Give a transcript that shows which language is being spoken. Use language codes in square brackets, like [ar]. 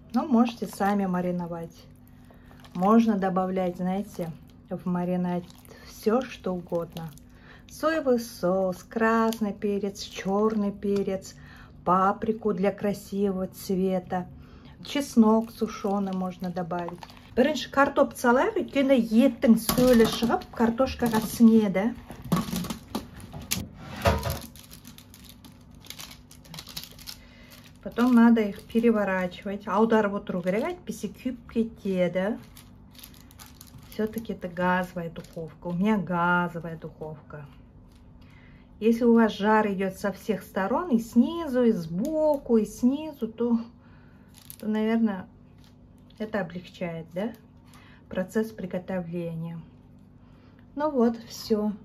[ru] Но можете сами мариновать. Можно добавлять, знаете, в маринад все, что угодно. Соевый соус, красный перец, черный перец, паприку для красивого цвета. Чеснок сушеный можно добавить. [kk] Бірінші картоп салайық, өйткені еттің сөлі шығып, картошкаға сінеді. [ru] Потом надо их переворачивать. [kk] Аударып отыру керек, әйтпесе күйіп кетеді. [ru] Все-таки это газовая духовка. У меня газовая духовка. Если у вас жар идет со всех сторон, и снизу, и сбоку, и снизу, то... наверное, это облегчает, да, процесс приготовления. Ну вот, все.